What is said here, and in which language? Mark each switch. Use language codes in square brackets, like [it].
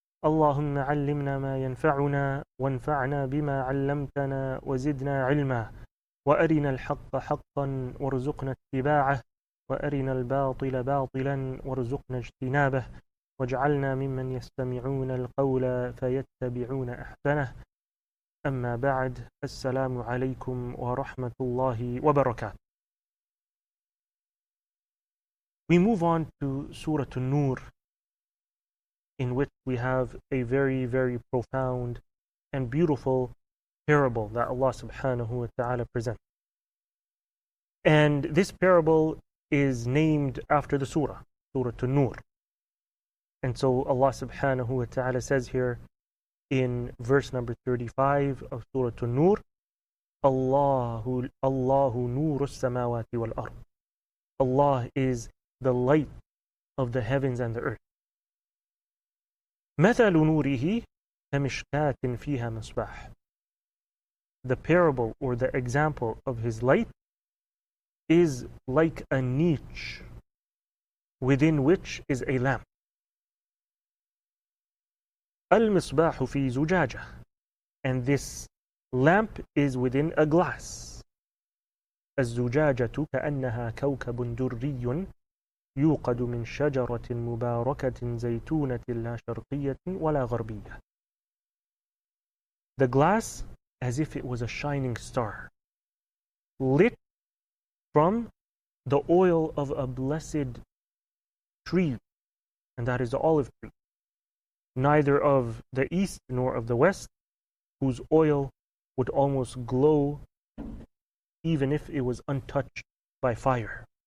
[ar] اللهم علمنا ما ينفعنا، وانفعنا بما علمتنا، وزدنا علما، وأرنا الحق حقا وارزقنا اتباعه، وأرنا الباطل باطلا وارزقنا اجتنابه، واجعلنا ممن يستمعون القول فيتبعون أحسنه. أما بعد، السلام عليكم ورحمة الله وبركاته. [en] We move on to Surah An-Nur, in which we have a very, very profound and beautiful parable that Allah subhanahu wa ta'ala presents. And this parable is named after the surah, Surah An-Nur. And so Allah subhanahu wa ta'ala says here in verse number 35 of Surah An-Nur, Allahu nuru as-samawati wal-ard. Allah is the light of the heavens and the earth. [ar] مثل نوره كمشكات فيها مصباح. [en] The parable or the example of his light is like a niche within which is a lamp. [ar] المصباح في زجاجة. [en] And this lamp is within a glass. [ar] الزجاجة كأنها كوكب دري يوقد من شجرة مباركة زيتونة لا شرقية ولا غربية. [en] The glass, as if it was a shining star, lit from the oil of a blessed tree, and that is the olive tree, neither of the east nor of the west, whose oil would almost glow even if it was untouched by fire.